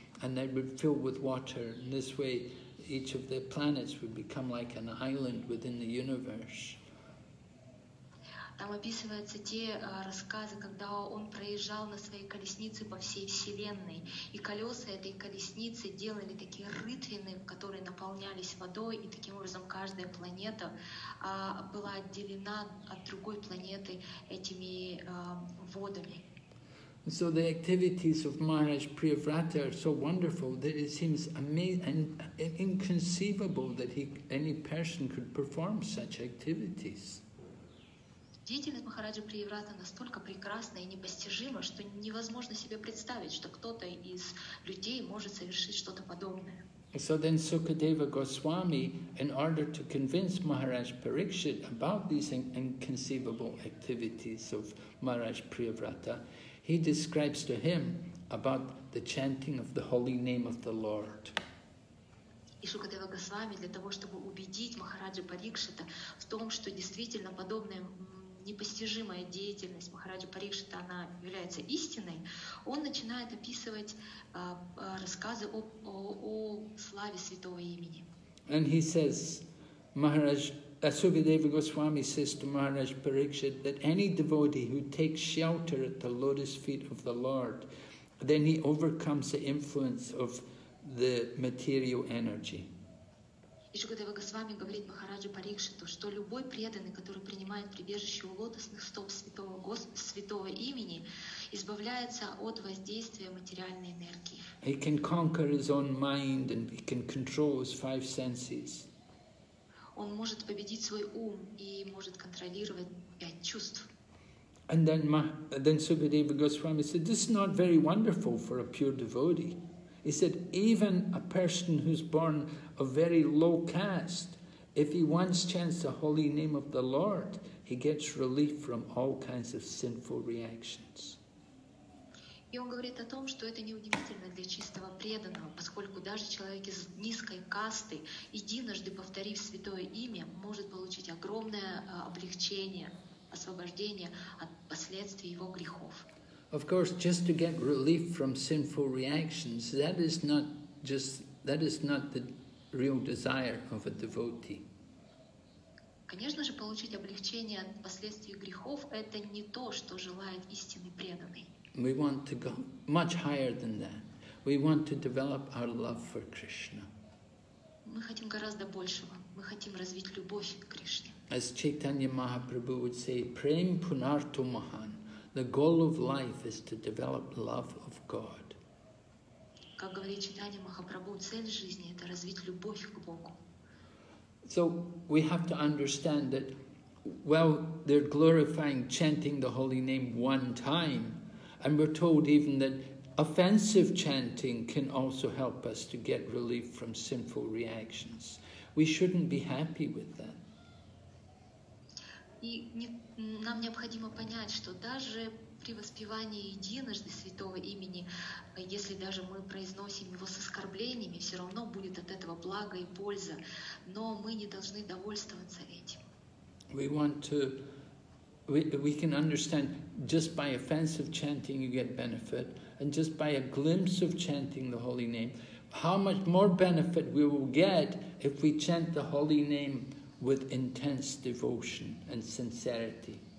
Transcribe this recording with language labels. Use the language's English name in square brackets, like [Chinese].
[English] And they would fill with water. In this way, each of the planets would become like an island within the universe. [Russian] Там описываются те рассказы, когда он проезжал на своей колеснице по всей вселенной, и колеса этой колесницы делали такие рытвины, которые наполнялись водой, и таким образом каждая планета была отделена от другой планеты этими водами. [English] So the activities of Maharaj Priyavrata are so wonderful that it seems amazing and inconceivable that any person could perform such activities. [Russian] Деятельность Махараджи Приеврата настолько прекрасна и непостижима, что невозможно себе представить, что кто-то из людей может совершить что-то подобное. [English] So then Sukadeva Goswami, in order to convince Maharaj Parikshit about these inconceivable activities of Maharaj Priyavrata, he describes to him about the chanting of the holy name of the Lord. [Russian] И Шукадева Госвами для того, чтобы убедить Махараджа Парикшита в том, что действительно подобная непостижимая деятельность Махараджа Парикшита, она является истиной, он начинает описывать рассказы о славе святого имени. [English] And he says, Sukadeva Goswami says to Maharaj Parikshit that any devotee who takes shelter at the lotus feet of the Lord, then he overcomes the influence of the material energy. [Russian] И Шукадева Госвами говорит Махараджу Парикшиту, что любой преданный, который принимает прибежище у лотосных стоп святого имени, избавляется от воздействия материальной энергии. [English] He can conquer his own mind and he can control his five senses. [Russian] Он может победить свой ум и может контролировать пять чувств. [English] And then Sukadeva Goswami said, this is not very wonderful for a pure devotee. He said, even a person who's born of very low caste, if he once chants the holy name of the Lord, he gets relief from all kinds of sinful reactions. [Russian] И он говорит о том, что это неудивительно для чистого преданного, поскольку даже человек из низкой касты, единожды повторив святое имя, может получить огромное облегчение, освобождение от последствий его грехов. [English] Of course, just to get relief from sinful reactions, that is not the real desire of a devotee. [Russian] Конечно же, получить облегчение от последствий грехов – это не то, что желает истинный преданный. [English] We want to go much higher than that. We want to develop our love for Krishna. [Russian] Мы хотим гораздо большего. Мы хотим развить любовь к Кришне. [English] As Chaitanya Mahaprabhu would say, [Sanskrit] "Prem punartho mahan." [English] The goal of life is to develop love of God. [Russian] Как говорит Чайтанья Махапрабху, цель жизни — это развить любовь к Богу. [English] So we have to understand that, well, they're glorifying chanting the holy name one time. And we're told even that offensive chanting can also help us to get relief from sinful reactions. We shouldn't be happy with that. [Russian] И нам необходимо понять, что даже при воспевании единожды святого имени, если даже мы произносим его с оскорблениями, все равно будет от этого благо и польза. Но мы не должны довольствоваться этим. [English] We can understand just by offensive chanting you get benefit, and just by a glimpse of chanting the holy name, how much more benefit we will get if we chant the holy name with intense devotion and sincerity.